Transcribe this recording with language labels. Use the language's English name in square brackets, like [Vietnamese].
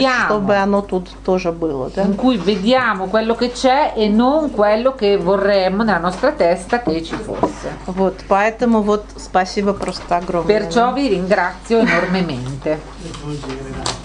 [Italian] vediamo, [Russian] чтобы оно тут тоже было. Да? [Italian] In cui vediamo quello che c'è e non quello che vorremmo nella nostra testa che ci fosse. [Russian] Вот, поэтому вот спасибо просто огромное. [Italian] Perciò vi ringrazio enormemente.